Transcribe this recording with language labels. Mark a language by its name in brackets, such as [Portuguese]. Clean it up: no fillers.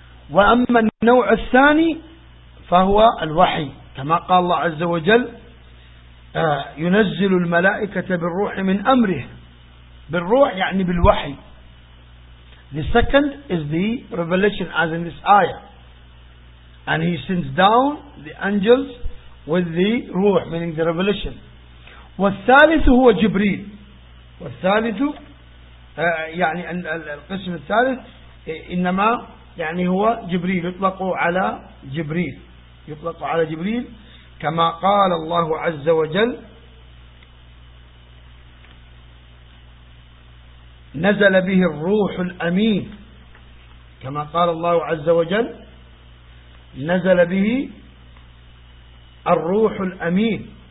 [Arabic] وَأَمَّا النَّوْعُ الثَّانِي فَهُوَ الْوَحِي كما قال الله عز وجل يُنَزِّلُ الْمَلَائِكَةَ بِالْرُوحِ مِنْ أَمْرِهِ. بالروح يعني بالوحي. [English] The second is the revelation as in this ayah. And he sends down the angels with the ruh, meaning the revelation. [Arabic] وَالثَّالِثُ هُوَ جِبْرِيلُ وَالثَالِثُ يعني القسم الثالث إنما يعني هو جبريل يطلق على جبريل يطلق على جبريل كما قال الله عز وجل نزل به الروح الأمين كما قال الله عز وجل نزل به الروح الأمين